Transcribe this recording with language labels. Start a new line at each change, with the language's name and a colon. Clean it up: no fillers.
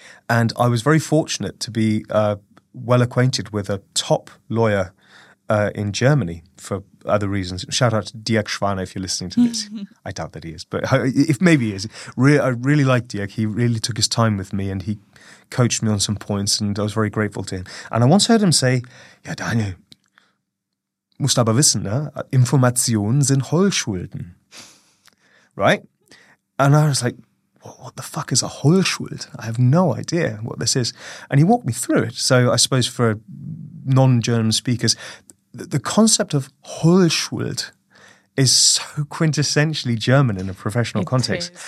English: And I was very fortunate to be well acquainted with a top lawyer in Germany for other reasons. Shout out to Dirk Schwaner if you're listening to this. I doubt that he is, but if maybe he is. I really like Dirk. He really took his time with me and he coached me on some points and I was very grateful to him. And I once heard him say,
German: ja, Daniel, musst aber wissen, ne? Informationen sind Heulschulden.
English: Right? And I was like, what the fuck is a Heulschuld? I have no idea what this is. And he walked me through it. So I suppose for non-German speakers, the concept of Heulschuld is so quintessentially German in a professional context.